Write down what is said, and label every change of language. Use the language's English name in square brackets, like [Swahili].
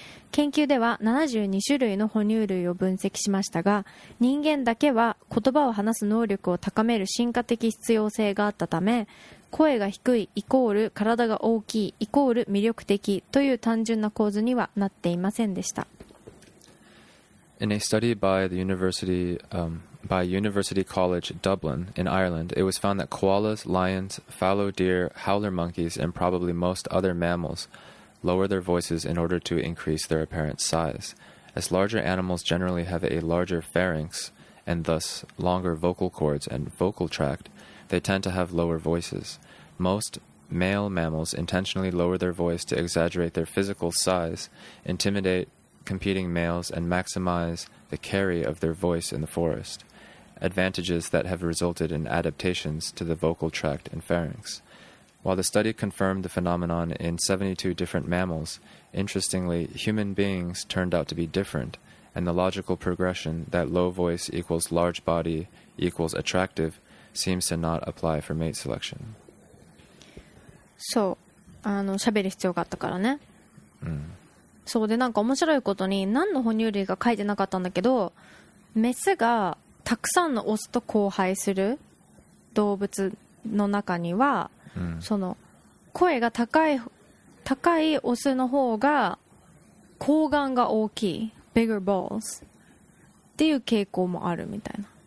[Japanese] 研究では72種類の哺乳類を分析しましたが、人間だけは言葉を話す能力を高める進化的必要性があったため、声が低いイコール体が大きいイコール魅力的という単純な構図にはなっていませんでした。 [English] In a study by the University, by University College Dublin in Ireland, it was found that koalas, lions, fallow deer, howler monkeys, and probably most other mammals lower their voices in order to increase their apparent size, as larger animals generally have a larger pharynx and thus longer vocal cords and vocal tract, they tend to have lower voices. Most male mammals intentionally lower their voice to exaggerate their physical size, intimidate competing males, and maximize the carry of their voice in the forest, advantages that have resulted in adaptations to the vocal tract and pharynx. While the study confirmed the phenomenon in 72 different mammals, interestingly, human beings turned out to be different, and the logical progression that low voice equals large body equals attractive seems to not apply for mate selection. [Japanese] そう、喋る必要があったからね。そうで、なんか面白いことに何の哺乳類が書いてなかったんだけど、メスがたくさんのオスと交配する動物の中には、その声が高いオスの方が睾丸が大きい [English] bigger balls [Japanese] っていう傾向もあるみたいな。